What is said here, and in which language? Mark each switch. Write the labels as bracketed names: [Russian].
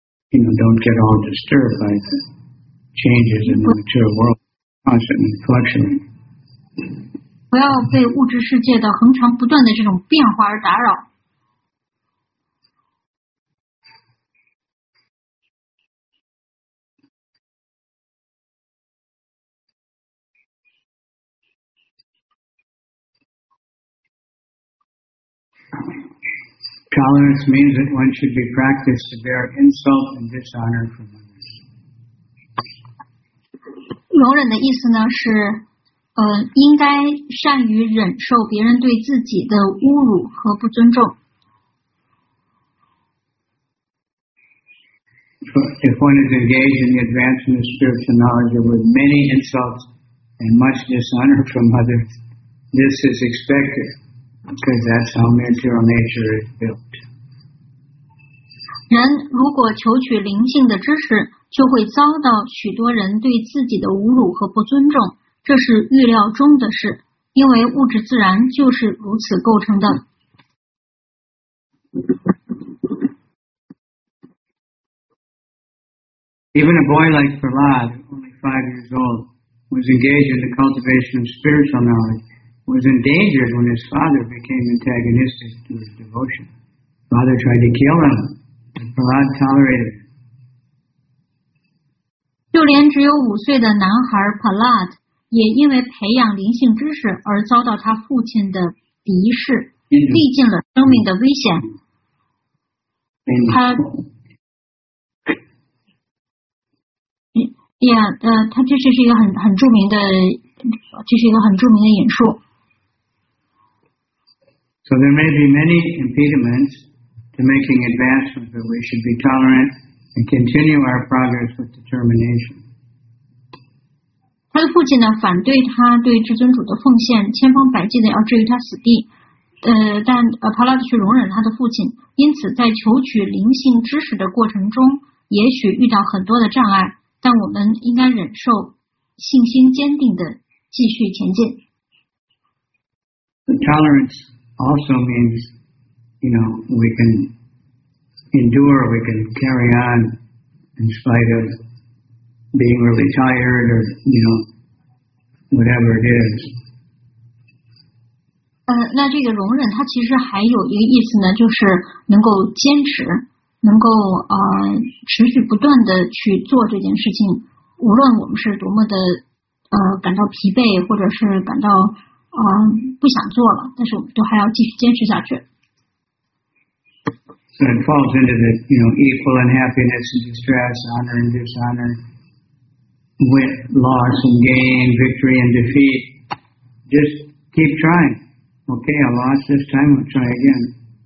[English] You know, don't get all disturbed by it. Changes in the material world constantly fluctuating. [Chinese] 不要被物质世界的恒常不断的这种变化而打扰。 [English] Tolerance means that one should be practiced to bear insult and dishonor from one. [Chinese] 容忍的意思呢是应该善于忍受别人对自己的侮辱和不尊重。 [English] If one is engaged in the advancement of spiritual knowledge with many insults and much dishonor from others, this is expected because that's how material nature is built. [Chinese] 人如果求取灵性的知识就会遭到许多人对自己的侮辱和不尊重，这是预料中的事，因为物质自然就是如此构成的。 [English] Even a boy like Prahlad, only 5 years old, was engaged in the cultivation of spiritual knowledge, was endangered when his father became antagonistic to his devotion. Father tried to kill him, but Prahlad tolerated it. [Chinese] 就连只有5岁的男孩 Prahlad 也因为培养灵性知识而遭到他父亲的敌视，历尽了生命的危险。他这是一个很著名的，这是一个很著名的引述。 [English] So there may be many impediments to making advancements, but we should be tolerant. And continue our progress with determination. [Chinese] 他的父亲呢，反对他对至尊主的奉献，千方百计的要置于他死地。但帕拉德却容忍他的父亲，因此在求取灵性知识的过程中，也许遇到很多的障碍，但我们应该忍受，信心坚定的继续前进。 [English] The tolerance also means, you know, we can. Endure, we can carry on in spite of being really tired or, you know, whatever it is. [Chinese] 那这个容忍它其实还有一个意思呢，就是能够坚持，能够持续不断的去做这件事情，无论我们是多么的感到疲惫，或者是感到不想做了，但是我们都还要继续坚持下去。 [English] So it falls into the, you know, equal in happiness and distress, honor and dishonor, win, loss and gain, victory and defeat. Just keep trying. Okay, I lost this time, I'll try again.